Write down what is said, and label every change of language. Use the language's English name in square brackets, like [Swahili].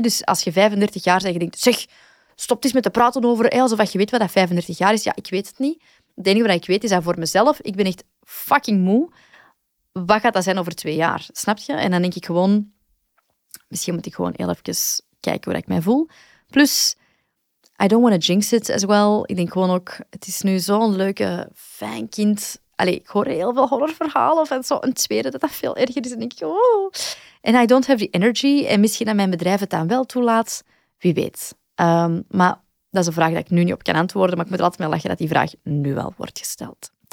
[Dutch] Dus als je 35 jaar bent en je denkt, zeg, stop eens met te praten over, hè, alsof je weet wat dat 35 jaar is. Ja, ik weet het niet. Het enige wat ik weet is dat voor mezelf, ik ben echt fucking moe. Wat gaat dat zijn over 2 jaar? Snap je? En dan denk ik gewoon, misschien moet ik gewoon heel even kijken hoe ik mij voel. [English] Plus, I don't want to jinx it as well. [Dutch] Ik denk gewoon ook, het is nu zo'n leuke, fijn kind. Allee, ik hoor heel veel horrorverhalen van zo'n tweede dat veel erger is. En ik, oh. [English] I don't have the energy. [Dutch] En misschien dat mijn bedrijf het dan wel toelaat. Wie weet. Maar dat is een vraag die ik nu niet op kan antwoorden. Maar ik moet er altijd mee lachen dat die vraag nu wel wordt gesteld.